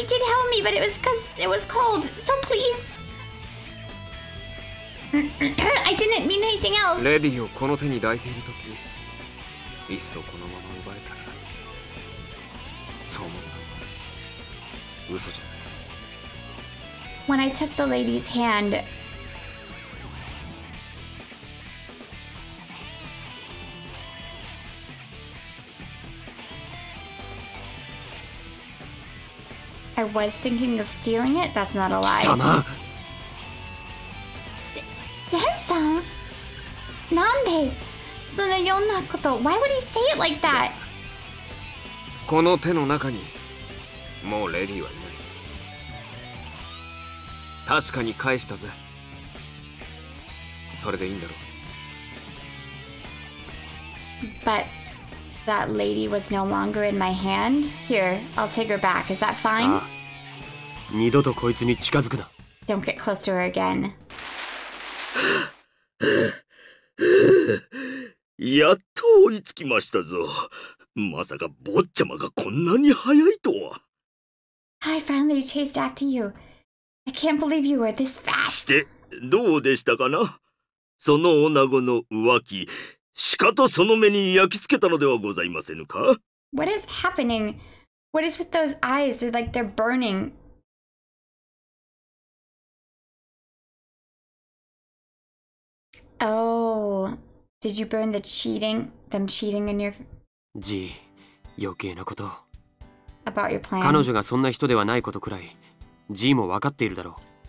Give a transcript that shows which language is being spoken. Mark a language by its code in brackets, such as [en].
[en] did help me, but it was because it was cold. So please. I didn't mean anything else. [ja] レディをこの手に抱いているとき、いっそこのまま奪えたら、そう思った。嘘じゃない。 [en] When I took the lady's hand, I was thinking of stealing it. That's not a lie. [ja] 貴様。なんでそのようなこと。 [en] Why would he say it like that? [ja] この手の中にもうレディはいない。確かに返したぜ。それでいいんだろう。 [en] But that lady was no longer in my hand. Here, I'll take her back. Is that fine? [ja] ああ、二度とこいつに近づくな。 [en] Don't get close to her again. [ja] やっと追いつきましたぞ。まさか坊ちゃまがこんなに早いとは。 [en] I finally chased after you. I can't believe you were this fast. [ja] して、どうでしたかな？その女子の浮気、しかとその目に焼き付けたのではございませぬか？ [en] What is happening? What is with those eyes? They're like they're burning. Oh, did you burn them cheating in your... [ja] G, 余計なこと。 [en] About your plan. [ja] 彼女がそんな人ではないことくらい、G も分かっているだろう。